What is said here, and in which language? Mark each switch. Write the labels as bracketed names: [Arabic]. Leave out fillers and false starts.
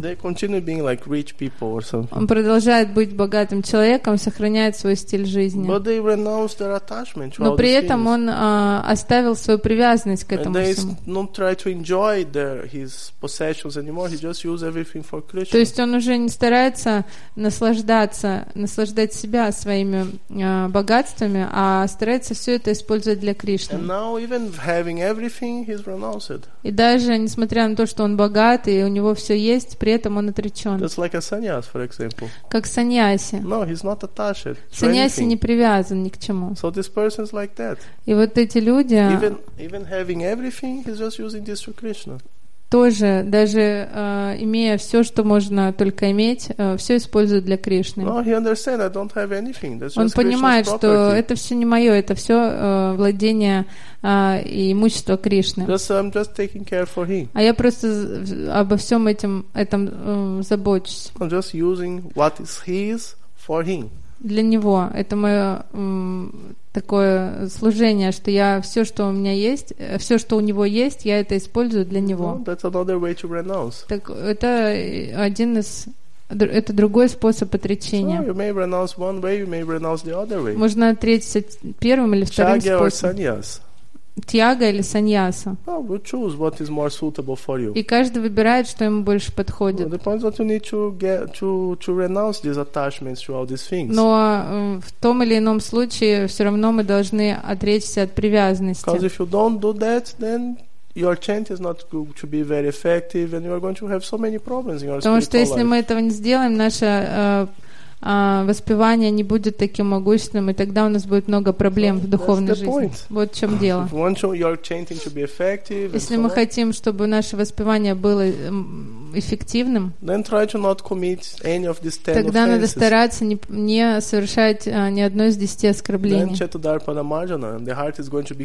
[English] They continue being like rich people or something. [Russian] Он продолжает быть богатым человеком, сохраняет свой стиль жизни. [English] But they renounced their attachment to [Russian] но при этом он оставил свою привязанность к [English] and [Russian] этому [English] they [Russian] всему. [English] Don't try to enjoy his possessions anymore. He just use everything for Krishna. [Russian] То есть он уже не старается наслаждать себя своими богатствами, а старается все это использовать для Кришны. [English] And now even having everything, he's renounced. [Russian] И даже несмотря на то, что он богат и у него все есть, при этом он отречен. [English] That's like a sannyas, for example. [Russian] Как саньяси. [English] No, he's not attached. [Russian] Саньяси не привязан ни к чему. [English] So this person is like that. [Russian] И вот эти люди. [English] Even having everything, he's just using this for Krishna. [Russian] Тоже, даже имея все, что можно только иметь, все использует для Кришны. [English] No, he understands I don't have anything. That's just [Russian] он понимает, [English] Krishna's [Russian] что [English] property. [Russian] Это все не мое, это все владение и имущество Кришны. [English] Just, I'm just taking care for him. [Russian] А я просто обо всем этом забочусь. [English] I'm just using what is his for him. [Russian] Для него. Это мое такое служение, что я все, что у меня есть, все, что у него есть, я это использую для него. [English] No, that's another way to renounce. [Russian] Так это один из это другой способ отречения. [English] So you may renounce one way, you may renounce the other way. [Russian] Можно отречься первым или вторым Chaga способом. [English] Or sannyas. [Russian] Тьяга или саньяса. [English] Well, we'll choose what is more suitable for you. [Russian] И каждый выбирает, что ему больше подходит. [English] Well, the point is that you need to get to renounce these attachments to all these things. [Russian] Но в том или ином случае все равно мы должны отречься от привязанности. [English] Because if you don't do that, then your chant is not going to be very effective, and you are going to have so many problems in your spiritual life. [Russian] Потому что если мы этого не сделаем, наша воспевание не будет таким могущественным, и тогда у нас будет много проблем [English] so, [Russian] в духовной жизни. Вот в чем дело. Если мы хотим, чтобы наше воспевание было эффективным, тогда надо стараться не совершать ни одно из 10 оскорблений.